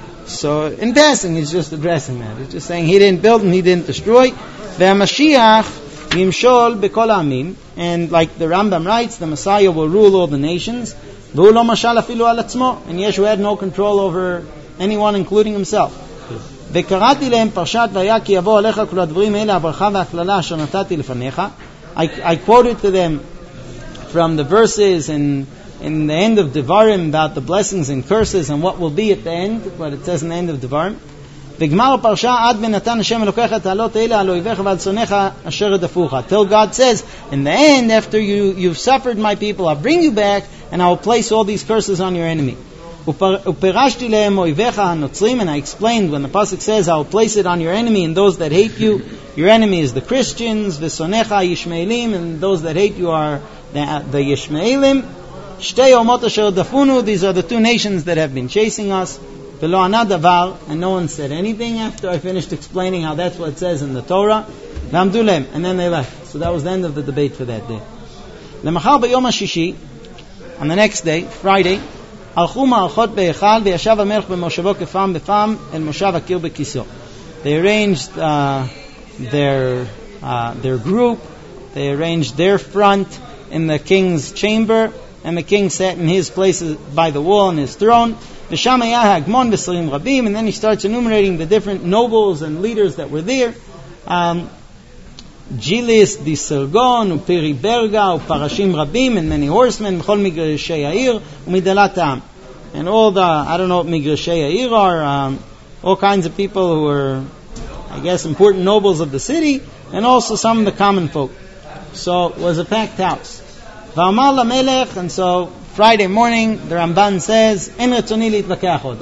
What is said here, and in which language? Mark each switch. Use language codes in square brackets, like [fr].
[en] So in passing, he's just addressing that. He's just saying he didn't build and he didn't destroy. [he] Ve'amashiach yimshol bekol amim. [en] And like the Rambam writes, the Messiah will rule all the nations. [he] Ve'ulo mashal afilu al atzmo. [en] And Yeshu had no control over anyone, including himself. [he] וקראתי להם פרשת והיה כי יבוא עליך כל הדברים האלה הברכה והכללה אשר נתתי לפניך. [en] I quoted to them from the verses in the end of Devarim about the blessings and curses and what will be at the end, what it says in the end of Devarim. [he] וגמר הפרשה עד ונתן השם לוקח את העלות האלה על אויביך ועל שונאיך אשר הדפוך. [en] Till God says, in the end, after you've suffered my people, I'll bring you back and I will place all these curses on your enemy. [he] ופרשתי להם אויביך הנוצרים, [en] and I explained when the pasuk says I'll place it on your enemy and those that hate you, your enemy is the Christians, [he] ושונאיך הישמעאלים, [en] and those that hate you are the ישמעאלים. [he] שתי אומות אשר דפונו, [en] these are the two nations that have been chasing us. [he] ולא ענה דבר, [en] and no one said anything after I finished explaining how that's what it says in the Torah. [he] ועמדו להם, [en] and then they left. So that was the end of the debate for that day. [he] למחר ביום השישי, [en] on the next day, Friday, [he] הלכו מערכות בהיכל וישב המלך במושבו כפעם בפעם אל מושב הקיר בכיסו. [en] They arranged their group, they arranged their front in the king's chamber, and the king sat in his place by the wall on his throne. [he] ושם היה הגמון ושרים רבים, [en] and then he starts enumerating the different nobles and leaders that were there. [he] ג'יליס דיסרגון ופירי ברגה ופרשים רבים [en] and many horsemen [he] בכל מגרשי העיר ומדלת העם. [en] And all the, I don't know what Migrashei Ha'ir are, all kinds of people who are, I guess, important nobles of the city, and also some of the common folk. So it was a packed house. [he] V'amal ha'melech, [en] and so Friday morning, the Ramban says, [he] "En retzoni litvakeach od."